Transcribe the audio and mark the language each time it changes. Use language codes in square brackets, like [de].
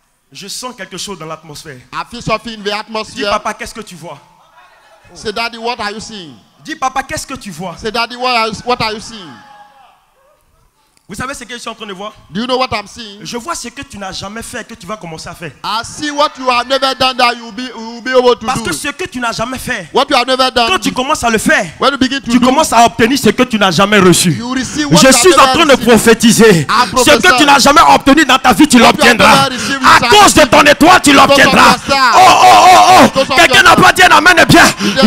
[fr] Je sens quelque chose dans l'atmosphère. [en] I feel something in the atmosphere. [fr] Dis papa, qu'est-ce que tu vois? [en] Say daddy, what are you seeing? [fr] Dis papa, qu'est-ce que tu vois? [en] Say daddy, what are you seeing? [fr] Vous savez ce que je suis en train de voir? [en] Do you know what I'm seeing? [fr] Je vois ce que tu n'as jamais fait que tu vas commencer à faire. [en] I see what you have never done that you will be able to do. [fr] Parce que ce que tu n'as jamais fait. [en] What you have never done. [fr] Quand tu commences à le faire. [en] When you begin to [fr] tu commences à obtenir ce que tu n'as jamais reçu. [en] You receive what [fr] je suis en train de prophétiser. Ce que tu n'as jamais obtenu dans ta vie, tu l'obtiendras. À cause de ton étoile, tu l'obtiendras. Oh oh oh oh. Quelqu'un n'a pas dit un amen bien.